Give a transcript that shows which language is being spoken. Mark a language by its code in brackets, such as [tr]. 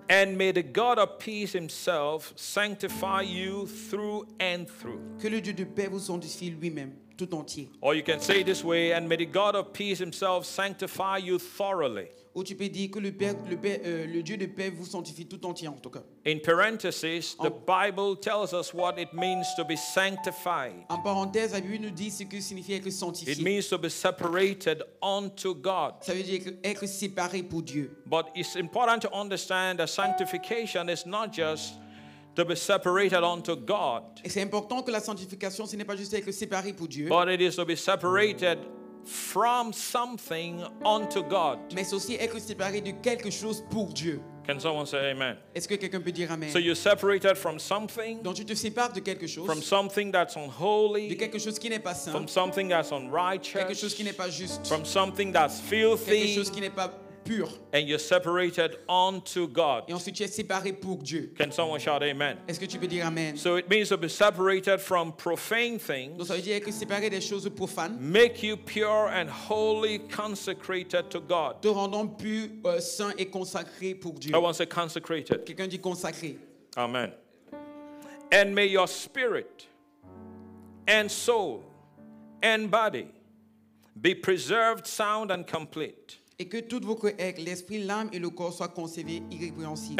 [en] And may the God of peace himself sanctify you through and through. [fr] Que le Dieu de paix vous sanctifie lui-même tout entier. [en] Or you can say it this way, and may the God of peace himself sanctify you thoroughly. [fr] Ou tu peux dire que le Dieu de paix vous sanctifie tout entier en tout cas. [en] In parentheses, the Bible tells us what it means to be sanctified. [fr] En parenthèse, la Bible nous dit ce que signifie être sanctifié. [en] It means to be separated unto God. [fr] Ça veut dire être séparé pour Dieu. [en] But it's important to understand that sanctification is not just to be separated unto God. [fr] Et c'est important que la sanctification ce n'est pas juste être séparé pour Dieu. [en] But it is to be separated from something unto God. [fr] Mais aussi être séparé de quelque chose pour Dieu. [en] Can someone say amen? [fr] Est-ce que quelqu'un peut dire amen? [en] So you're separated from something. [fr] Donc tu te sépares de quelque chose. [en] From something that's unholy. [fr] De quelque chose qui n'est pas saint. [en] From something that's unrighteous. [fr] Quelque chose qui n'est pas juste. [en] From something that's filthy. [fr] Quelque chose qui n'est pas pur. [en] And you're separated unto God. [fr] Et ensuite tu es séparé pour Dieu. [en] Can someone shout amen? [fr] Est-ce que tu peux dire amen? [en] So it means to be separated from profane things. [fr] Donc ça veut dire être séparé des choses profanes. [en] Make you pure and holy, consecrated to God. [fr] Te rendons plus saint et consacré pour Dieu. [en] I want to say consecrated. [fr] Quelqu'un dit consacré. Amen. [en] And may your spirit and soul and body be preserved sound and complete. [fr] Et que toutes vos cœurs, l'esprit, l'âme et le corps soient conservés irrépréhensibles.